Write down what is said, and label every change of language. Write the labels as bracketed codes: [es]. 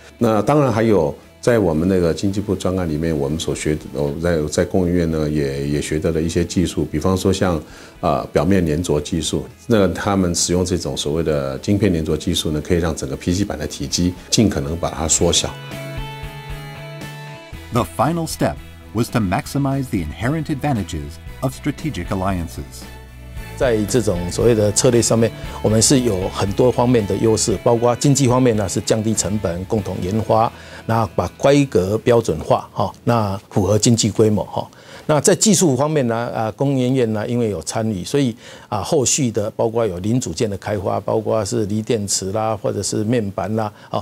[zh] 那当然还有在我们那个经济部专案里面，我们所学的在工研院呢也学得了一些技术，比方说像表面粘着技术，那他们使用这种所谓的晶片粘着技术呢，可以让整个 PC 板的体积尽可能把它缩小。 [en] The final step was to maximize the inherent advantages of strategic alliances. [zh] 在这种所谓的策略上面，我们是有很多方面的优势，包括经济方面呢是降低成本，共同研发。那把规格标准化，那符合经济规模，那在技术方面呢，工研院呢因为有参与，所以后续的包括有零组件的开发，包括是锂电池啦，或者是面板啦，